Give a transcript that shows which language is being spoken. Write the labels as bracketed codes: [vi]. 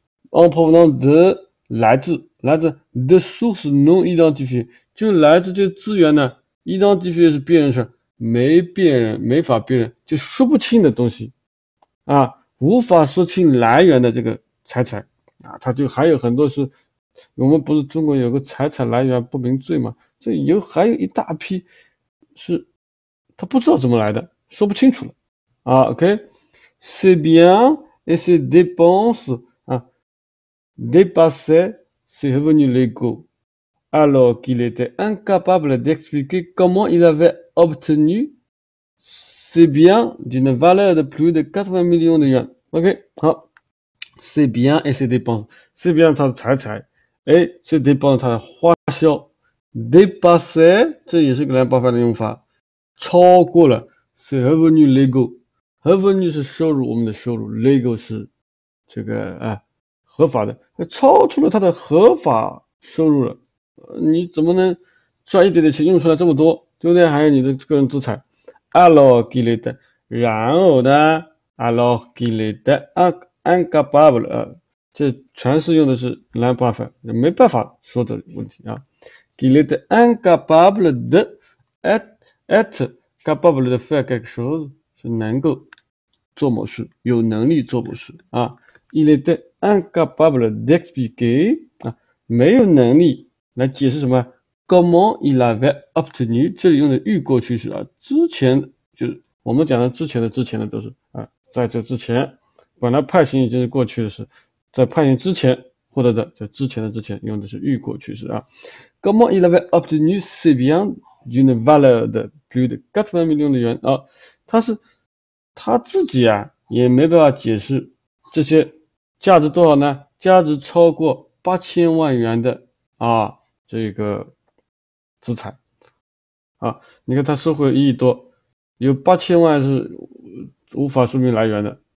[fr] en provenance de [zh] 来自 [fr] de source non identifié [zh] 就来自这资源呢，identifié 是辨认是没辨认没法辨认就说不清的东西无法说清来源的这个财产。啊，他就还有很多是，我们不是中国有个财产来源不明罪嘛？这有还有一大批是，他不知道怎么来的，说不清楚了。 [fr] 啊，OK，c'est bien et ses dépenses 啊 dépassaient ses revenus légaux, alors qu'il était incapable d'expliquer comment il avait obtenu ses biens d'une valeur de plus de 80 millions de yuan. [zh] OK，好。 [fr] c'est bien et ses dépenses, c'est bien [zh] 他的财产，哎， [fr] ses dépenses [zh] 他的花销，dépasser 这也是个连包法的用法，超过了 [fr] ses revenus légaux, [zh] revenu 是收入，我们的收入，légaux 是这个啊合法的，超出了他的合法收入了，你怎么能赚一点点钱用出来这么多，对不对？还有你的个人资产， [fr] alors qu'il est [zh] 然后呢，alors qu'il est 啊。 incapable 这全是用的是 [fr] non pas faire， [zh] 没办法说的问题啊。 [fr] qu'il est incapable de être capable de faire quelque chose [zh] 是能够做某事，有能力做某事啊。 [fr] il est incapable d'expliquer [zh] 啊，没有能力来解释什么？ [fr] comment il avait obtenu [zh] 这里用的预过去式啊，之前就是我们讲的之前的之前的都是啊，在这之前。本来判刑已经是过去的事，在判刑之前获得的，在之前的之前用的是预过去式啊。 [fr] Comment il avait obtenu ce bien d'une valeur de plus de 80 millions de yuan 啊？ [zh] 他是他自己啊，也没办法解释这些价值多少呢？价值超过8000万元的啊，这个资产啊，你看他收回1亿多，有8000万是无法说明来源的。